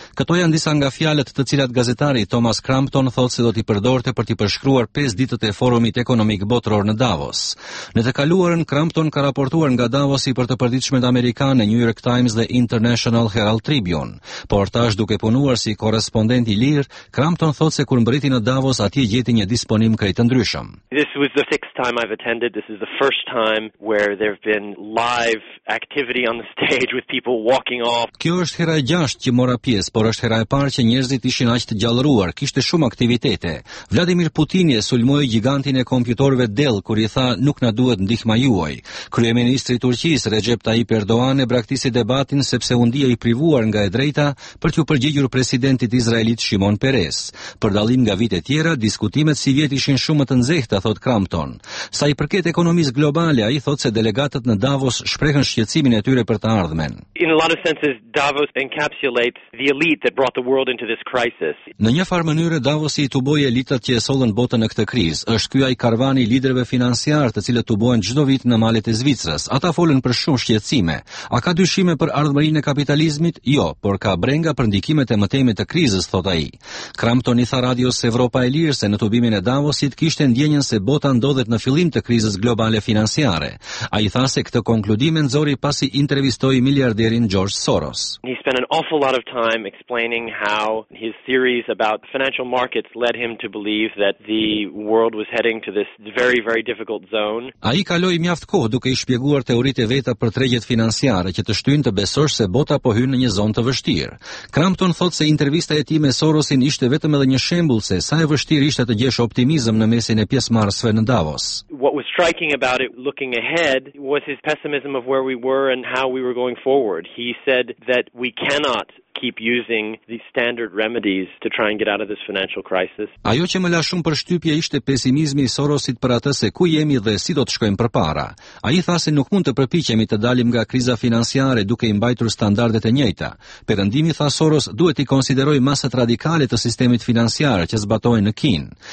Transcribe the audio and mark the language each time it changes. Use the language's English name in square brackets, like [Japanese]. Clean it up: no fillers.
[Albanian] Këto janë disa nga fjalët të cilat gazetari Thomas Crampton thotë se do t'i përdorte për t'i përshkruar 5 ditët e forumit ekonomik botëror në Davos. Në të kaluarën, Crampton ka raportuar nga Davos i për të përditshmet amerikane New York Times dhe International Herald Tribune. Por tash duke punuar si korrespondenti lirë, Crampton thotë se kur mbriti në Davos, atje gjeti një disponim krejtë ndryshëm. [English] This was the sixth time I've attended. This is the first time where there've been live activity on the stage with people walking off. [Albanian] Kjo është hera e gjashtë që mora pjesë, por është hera e parë që njerëzit ishin aq të gjallëruar, kishte shumë aktivitete. Vladimir Putin e sulmoi gigantin e kompjuterëve Dell kur i tha nuk na duhet ndihma juaj. Kryeministri i Turqisë Recep Tayyip Erdogan e braktisi debatin sepse u ndiej i privuar nga e drejta për t'u përgjigjur presidentit izraelit Shimon Peres. Për dallim nga vitet tjera, diskutimet si vjet ishin shumë të nxehta, thot Crampton. Sa i përket ekonomisë globale, ai thot se delegatët në Davos shprehën shqetësimin e tyre për të ardhmen. [English] In a lot of senses Davos encapsulates the elite that brought the world into this crisis. [Albanian] Në një farë mënyrë Davosi i tuboi elitat që e sollën botën në këtë krizë. Është ky ai karvani i liderëve financiar të cilët tubohen çdo vit në malet e Zvicrës. Ata folën për shumë shqetësime. A ka dyshime për ardhmërinë e kapitalizmit? Jo, por ka brenga për ndikimet e mëtejme të krizës, thot ai. Crampton i tha Radios Evropa e Lirë se në tubimin e Davosit kishte ndjenjën se bota ndodhet në fillim të krizës globale financiare. Ai tha se këtë konkludim nxori pasi intervistoi miliarderin George Soros. [English] He spent an awful lot of time explaining how his theories about financial markets led him to believe that the world was heading to this very very difficult zone. [Albanian] Ai kaloi mjaft kohë duke i shpjeguar teoritë veta për tregjet financiare që të shtyjnë të besosh se bota po hyn në një zonë të vështirë. Crampton thotë se intervista e tij me Sorosin ishte vetëm edhe një shembull se sa e vështirë ishte të gjesh optimizëm në mesin e pjesëmarrësve në Davos. [English] What was striking about it looking ahead was his pessimism of where we were and how we were going forward. He said that we cannot keep using the standard remedies to try and get out of this financial crisis. [Albanian] Ajo që më la shumë përshtypje ishte pesimizmi i Sorosit për atë se ku jemi dhe si do të shkojmë përpara. Ai tha se nuk mund të përpiqemi të dalim nga kriza financiare duke i mbajtur standardet e njëjta. Perëndimi, tha Soros, duhet i konsideroj masat radikale të sistemit financiar që zbatohen në Kinë.